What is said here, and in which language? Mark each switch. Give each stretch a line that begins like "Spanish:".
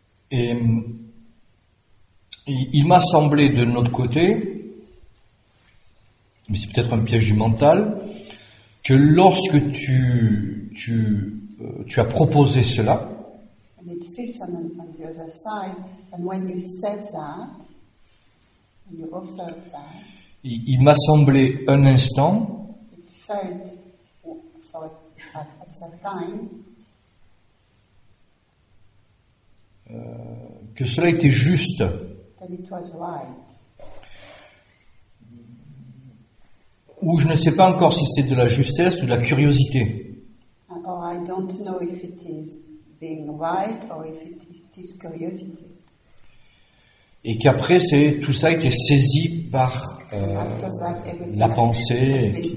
French: Et il m'a semblé de notre côté, mais c'est peut-être un piège du mental, que lorsque tu as proposé cela,
English: and it feels on the other side, and when you said that, when you offered that,
French: il m'a semblé un instant,
English: it felt for at that time,
French: que cela était juste,
English: that it was right.
French: Ou je ne sais pas encore si c'est de la justesse ou de la curiosité.
English: Or I don't know if it is being right or if it is curiosity.
French: Et qu'après c'est tout ça qui est saisi par la pensée.